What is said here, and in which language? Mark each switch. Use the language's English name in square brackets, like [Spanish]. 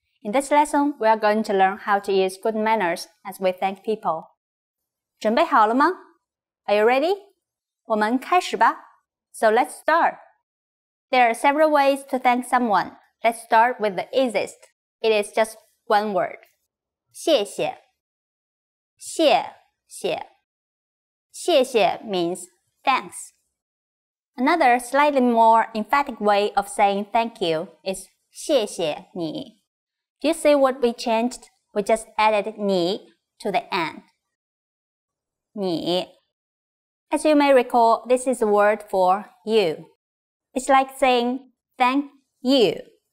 [English] In this lesson, we are going to learn how to use good manners as we thank people. [Chinese] 准备好了吗? [English] Are you ready? [Chinese] 我们开始吧。 [English] So let's start. There are several ways to thank someone. Let's start with the easiest. It is just one word. [Chinese] 谢谢谢谢谢谢 [English] means thanks. Another slightly more emphatic way of saying thank you is [Chinese] 谢谢你 [English] Do you see what we changed? We just added 你 to the end. [Chinese] 你 [English] As you may recall, this is a word for you. It's like saying, thank you.